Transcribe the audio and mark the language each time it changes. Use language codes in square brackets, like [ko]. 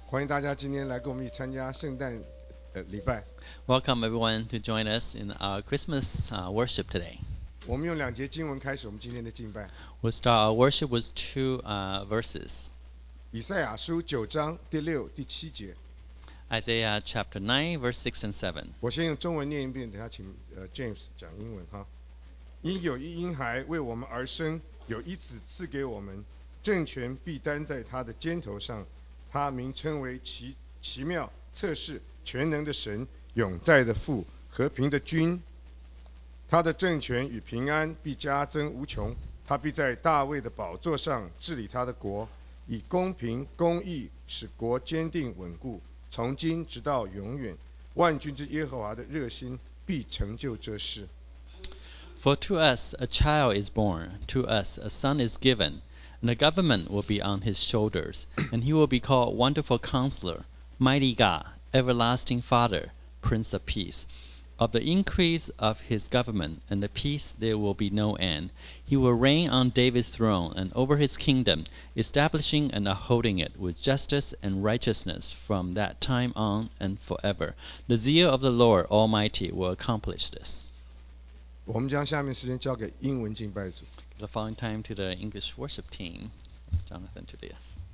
[zh] 欢迎大家今天来跟我们一起参加圣诞礼拜。 [en] Welcome everyone to join us in our Christmas worship today. [zh] 我们用两节经文开始我们今天的敬拜。 [en] We'll start our worship with two verses. [zh] 以赛亚书九章第六、第七节。 [en] Isaiah chapter 9, verse 6 and 7. [zh] 我先用中文念一遍，等下请James 讲英文哈。因有一婴孩为我们而生，有一子赐给我们。政权必担在他的肩头上，他名称为 奇妙、测试、全能的神、永在的父、和平的君。他的政权与平安必加增无穷，他必在大卫的宝座上治理他的国，以公平公义使国坚定稳固，从今直到永远，万军之耶和华的热心必成就这事。 [en] For to us a child is born, to us a son is given. And the government will be on his shoulders, and he will be called Wonderful Counselor, Mighty God, Everlasting Father, Prince of Peace. Of the increase of his government and the peace there will be no end. He will reign on David's throne and over his kingdom, establishing and upholding it with justice and righteousness from that time on and forever. The zeal of the Lord Almighty will accomplish this. [zh] 我们将下面时间交给英文敬拜组。 [en] The following time to the English worship team, Jonathan Tobias.